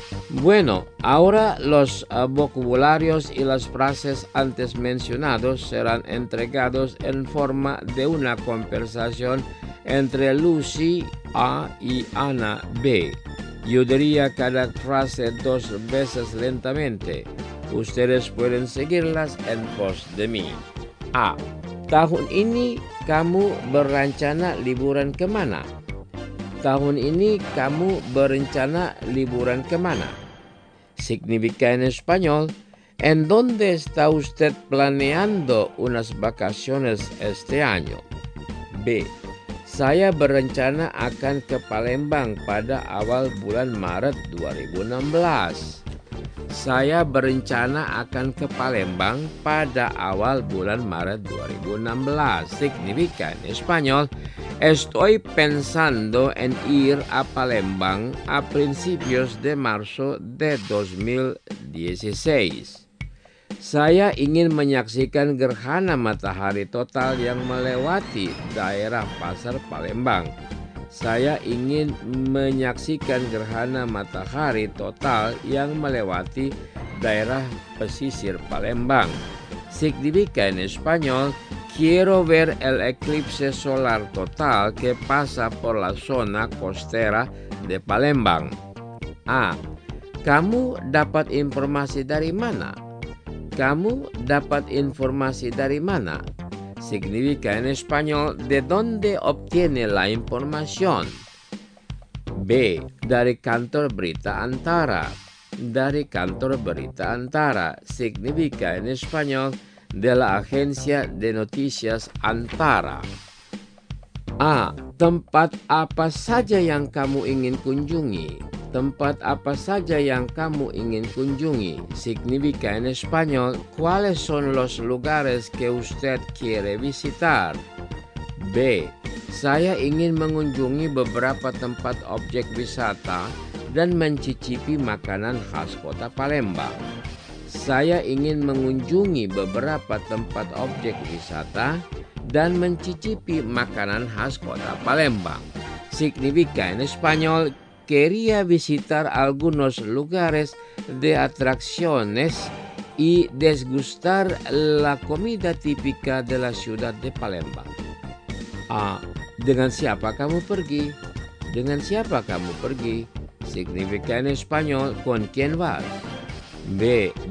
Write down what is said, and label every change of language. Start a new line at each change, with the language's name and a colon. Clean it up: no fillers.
Spanish: Bueno, ahora los vocabularios y las frases antes mencionados serán entregados en forma de una conversación entre Lucy A y Ana B. Yo diría cada frase dos veces lentamente. Ustedes pueden seguirlas en pos de mí. A.
Indonesian: Tahun ini kamu berencana liburan kemana? Tahun ini kamu berencana liburan kemana?
Spanish: Significa en español, ¿en dónde está usted planeando unas vacaciones este año?
Indonesian: B. Saya berencana akan ke Palembang pada awal bulan Maret 2016. Saya berencana akan ke Palembang pada awal bulan Maret 2016.
Spanish: Significa en español, estoy pensando en ir a Palembang a principios de marzo de 2016.
Indonesian: Saya ingin menyaksikan gerhana matahari total yang melewati daerah Pasar Palembang. saya ingin menyaksikan gerhana matahari total yang melewati daerah pesisir Palembang.
Spanish: Signifikan en español, quiero ver el eclipse solar total que pasa por la zona costera de Palembang. A.
Indonesian: Kamu dapat informasi dari mana? Kamu dapat informasi dari mana?
Spanish: Significa en español, ¿de dónde obtiene la información? B.
Indonesian: Dari kantor berita Antara. Dari kantor berita Antara.
Spanish: Significa en español, de la agencia de noticias Antara. A.
Indonesian: Tempat apa saja yang kamu ingin kunjungi? Tempat apa saja yang kamu ingin kunjungi?
Spanish: Significa en español, ¿cuáles son los lugares que usted quiere visitar? B.
Indonesian: Saya ingin mengunjungi beberapa tempat objek wisata dan mencicipi makanan khas kota Palembang. Saya ingin mengunjungi beberapa tempat objek wisata dan mencicipi makanan khas kota Palembang.
Spanish: Significa en español, quería visitar algunos lugares de atracciones y degustar la comida típica de la ciudad de Palembang. A.
Indonesian: Dengan siapa kamu pergi? Dengan siapa kamu pergi?
Spanish: Significa en español, ¿con quién vas? B.